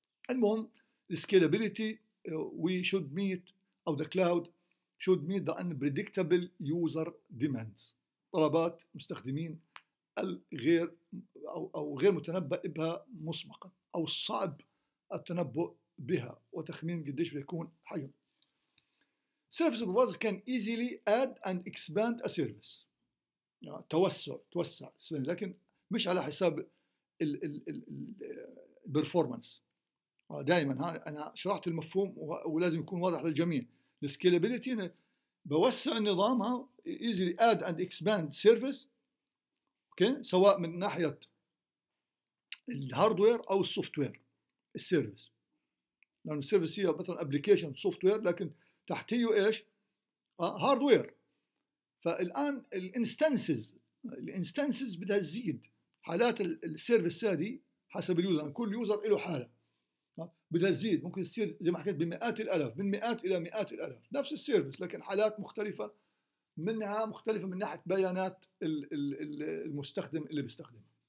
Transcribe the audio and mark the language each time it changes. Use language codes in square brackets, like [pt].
[ar] المهم [en] scalability we should meet of the cloud should meet the unpredictable user demands، [ar] طلبات مستخدمين الغير أو غير متنبأ بها مسبقا أو صعب التنبؤ بها وتخمين قديش بيكون حجم. [en] Service providers can easily add and expand a service. [ar] توسع لكن مش على حساب ال performance. دائما أنا شرحت المفهوم ولازم يكون واضح للجميع. [en] The scalability [ar] بوسع النظام، [en] easily add and expand service. Okay. [ar] سواء من ناحية الهاردوير أو السوفتوير السيرفيس، لأن السيرفيس هي مثلاً أبليكيشن سوفتوير لكن تحتيه إيش؟ هاردوير. فالآن الانستانسز بدها تزيد، حالات السيرفيس هذه حسب اليوزر، كل يوزر له حالة بدها تزيد، ممكن تصير زي ما حكيت بمئات الألف، من مئات إلى مئات الألف نفس السيرفيس لكن حالات مختلفة، منها مختلفة من ناحية بيانات المستخدم اللي بيستخدمه.